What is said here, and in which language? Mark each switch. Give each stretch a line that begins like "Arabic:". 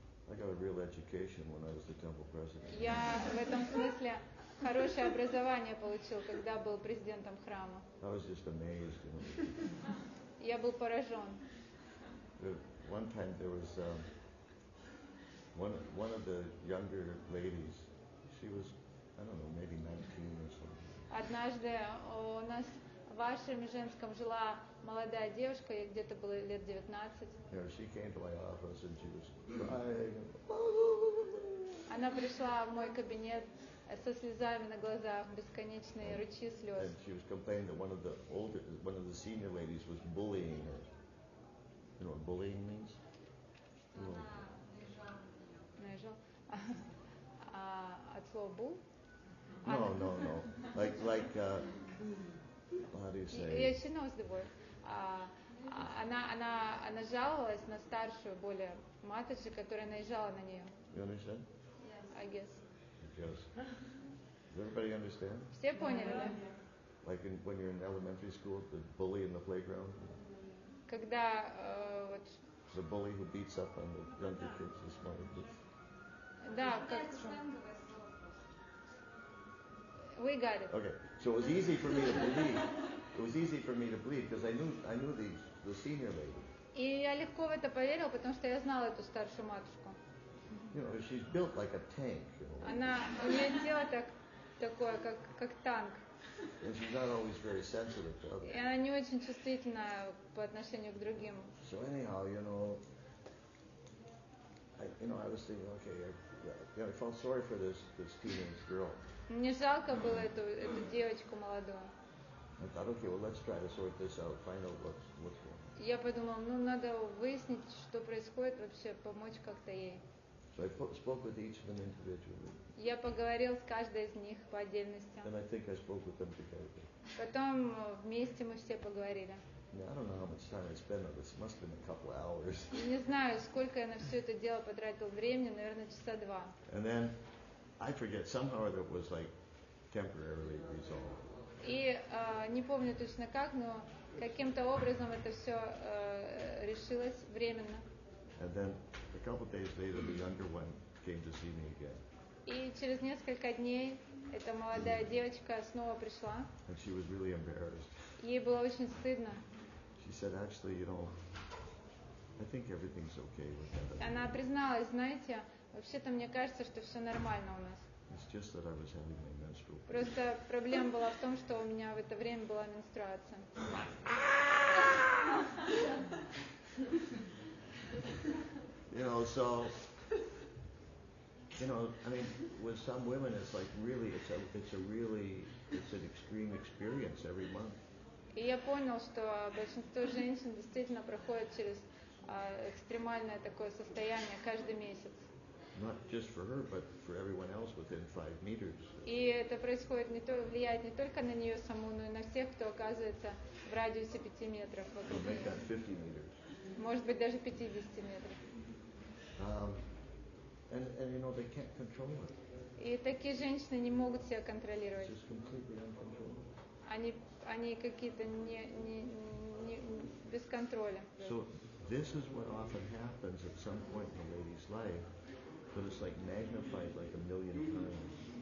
English: I got a real education when I was the temple president.
Russian: Я в этом смысле хорошее образование получил, когда был президентом храма.
English: I was just amazed. You know.
Russian: Я был поражен.
English: One time there was one of the younger ladies. She was, I don't know, maybe 19 or something.
Russian: Однажды у нас в вашем женском жила молодая девушка, ей где-то было лет 19.
English: Yeah, she came to my office and she was crying.
Russian: Она пришла в мой кабинет со слезами на глазах, бесконечные ручьи слез.
English: And she was complaining that one of the senior ladies was bullying her. You know what bullying means?
Russian: Наезжал. От слова bull?
English: No. How do you say? Yeah, she knows the word.
Russian: Она жаловалась на старшую, более матушку, которая наезжала на нее.
English: You understand? Yes. I guess. Yes. Does everybody understand?
Russian: Все поняли, да?
English: Like when you're in elementary school, the bully in the playground?
Russian: Когда вот...
English: The bully who beats up on the younger kids is smart.
Russian: Да, как...
English: We got it. Okay, so it was easy for me to believe because I knew the senior lady.
Russian: И я легко в это поверил, потому что я знал эту старшую матушку.
English: You know, she's built like a tank.
Russian: Она у нее тело такое, как танк.
English: And she's not always very sensitive to others.
Russian: И она не очень чувствительна по отношению к другим.
English: So anyhow, I was thinking, okay, I felt sorry for this teenage girl.
Russian: Мне жалко было эту девочку молодую.
English: I thought, okay, well, let's try to sort this out, find out what's going on.
Russian: я подумал, ну надо выяснить, что происходит вообще, помочь как-то ей.
English: So I spoke with each of them individually.
Russian: Я поговорил с каждой из них по отдельности.
English: Then I think I spoke with them together.
Russian: Потом вместе мы все поговорили.
English: Now, I don't know how much time I spent on this. It must have been a couple hours.
Russian: Не знаю, сколько я на все это дело потратил времени, наверное, часа два.
English: And then I forget somehow that was like temporarily resolved.
Russian: И не помню точно как, но каким-то образом это все решилось временно.
English: And then a couple of days later, the younger one came to see me again.
Russian: И через несколько дней эта молодая девочка снова пришла.
English: And she was really embarrassed.
Russian: Ей было очень стыдно.
English: She said, "Actually, you know, I think everything's okay with that."
Russian: Она призналась, знаете, вообще-то мне кажется, что все нормально у нас.
English: It's just that I was having my menstrual.
Russian: Просто проблема была в том, что у меня в это время была менструация.
English: You know, so, you know, I mean, with some women, it's like really, it's an extreme experience every month.
Russian: И я понял, что большинство женщин действительно проходят через экстремальное такое состояние каждый месяц.
English: Not just for her, but for everyone else within 5 meters.
Russian: И это происходит не то, влияет не только на нее саму, но и на всех, кто оказывается в радиусе 5 метров вокруг нее.
English: Make that 50 meters.
Russian: Может быть даже 50 метров.
English: And you know they can't control it.
Russian: И такие женщины не могут себя контролировать.
English: It's just completely uncontrollable.
Russian: Они какие-то не без контроля.
English: So this is what often happens at some point in a lady's life, but it's like magnified like a million times.